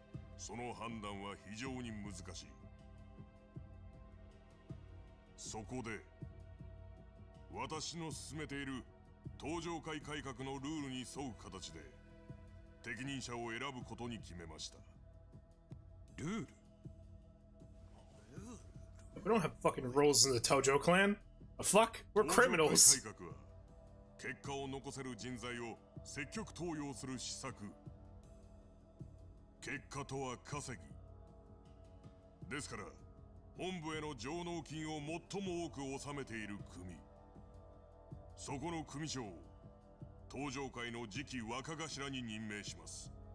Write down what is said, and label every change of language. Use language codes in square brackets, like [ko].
[ja] 若頭は登場会で実質的に私に続く力を持つポジション、誰にするかで今後の組の命運が決まると思うております。ですが、戸様出身の私にはその判断は非常に難しい。そこで私の進めている登場会改革のルールに沿う形で適任者を選ぶことに決めました。ルール？ [en] We don't have fucking rules in the Tojo clan. The fuck? We're criminals. [ja] 登場会改革は結果を残せる人材を積極登用する施策。結果とは稼ぎですから、本部への上納金を最も多く納めている組、そこの組長を登場会の次期若頭に任命します。